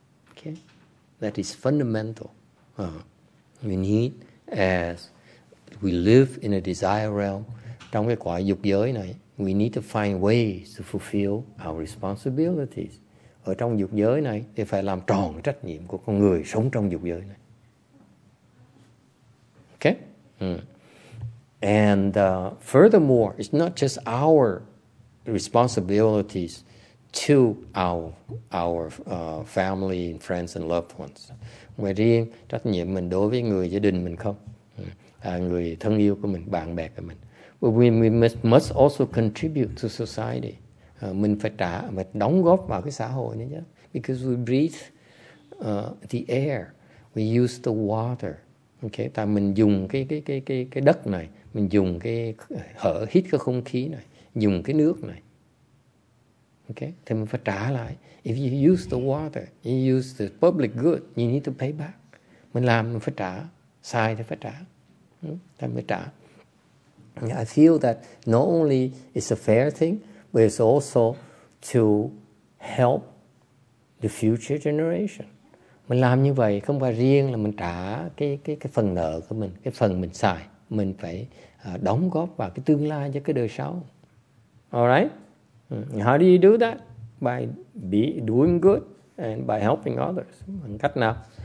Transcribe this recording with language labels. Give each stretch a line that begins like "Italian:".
English: Okay? That is fundamental. We need, as we live in a desire realm,
Vietnamese: trong cái quả dục giới này,
English: we need to find ways to fulfill our responsibilities.
Vietnamese: Ở trong dục giới này, thì phải làm tròn trách nhiệm của con người sống trong dục giới này.
English: Okay? And furthermore, it's not just our responsibilities to our family and friends and loved ones.
Vietnamese: Ngoài riêng trách nhiệm mình đối với người gia đình mình không, người thân yêu của mình, bạn bè của mình.
English: But we must also contribute to society.
Vietnamese: Mình phải trả, mình đóng góp vào cái xã hội nữa chứ.
English: Because we breathe the air, we use the water.
Vietnamese: Okay, tại mình dùng cái đất này, mình dùng cái hít cái không khí này, dùng cái nước này. Okay, thì mình phải trả lại.
English: If you use the water, you use the public good, you need to pay back.
Vietnamese: Mình làm mình phải trả, sai thì phải trả. Thì mình phải trả.
English: I feel that not only it's a fair thing, but it's also to help the future generation.
Vietnamese: Mình làm như vậy không phải riêng là mình trả cái phần nợ của mình, cái phần mình xài, mình phải đóng góp vào cái tương lai cho cái đời sau.
English: All right? How do you do that? By doing good and by helping others.
Vietnamese: Bằng cách nào?